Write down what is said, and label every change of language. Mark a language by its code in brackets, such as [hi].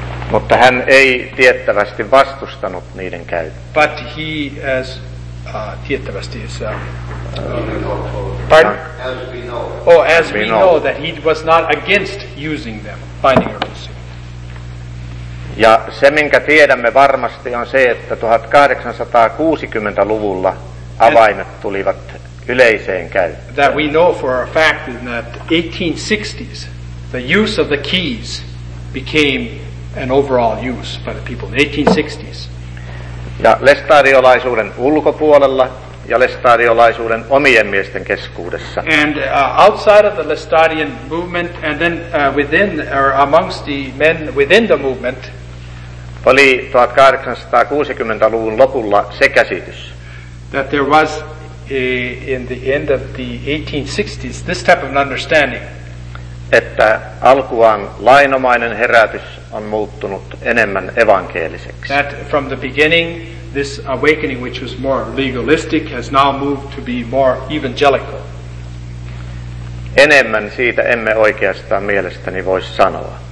[fi] Mutta hän ei tiettävästi vastustanut niiden käyttöä. [en] But he as tiettävästi is pardon? As we know that he was not against using them, binding or loosing. [fi] Ja se minkä tiedämme varmasti on se, että 1860-luvulla avaimet tulivat yleiseen käyttöön. [en] That we know for a fact in that 1860s the use of the keys became an overall use by the people in the 1860s. [fi] Ja lestadiolaisuuden ulkopuolella ja lestadiolaisuuden omien miesten keskuudessa. [en] And outside of the Lestadian movement and then within or amongst the men within the movement [fi] oli 1860-luvun lopulla se käsitys. [en] That there was in the end of the 1860s this type of an understanding. [fi] Että alkuaan lainomainen herätys on muuttunut enemmän evankeliseksi. [en] That from the beginning, this awakening, which was more legalistic, has now moved to be more evangelical. [fi] Enemmän siitä emme oikeastaan mielestäni voi sanoa.